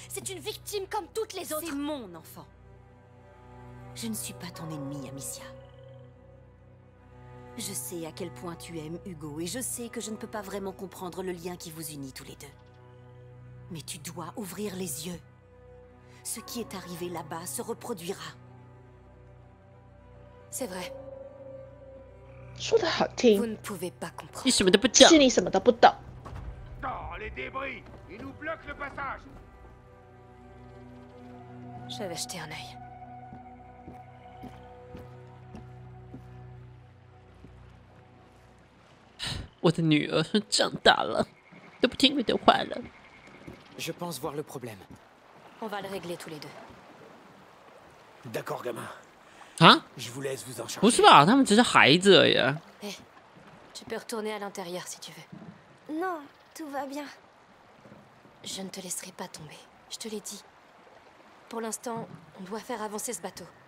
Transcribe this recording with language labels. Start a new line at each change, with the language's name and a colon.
French: C'est une victime comme toutes les autres. C'est mon enfant. Je ne suis pas ton ennemi, Amicia. Je sais à quel point tu aimes Hugo et je sais que je ne peux pas vraiment comprendre le lien qui vous unit tous les deux. Mais tu dois ouvrir les yeux. Ce qui est arrivé là-bas se reproduira. C'est vrai.
Chinese: 说得好听，你什么都不懂，是你什么都不懂。
French: Dans les débris, ils nous bloquent le passage. Je vais jeter un œil.
Chinese: Mon 女儿长大了，都不听你的话了。
French: Je pense voir le problème. On va le régler tous les deux. D'accord, gamin.
Chinese: 啊！不是吧？他们只是孩子而已。
French: Tu peux retourner à l'intérieur si tu veux. Non, tout va bien. Je ne te laisserai pas tomber. Je te l'ai dit. Pour l'instant, on doit faire avancer ce bateau.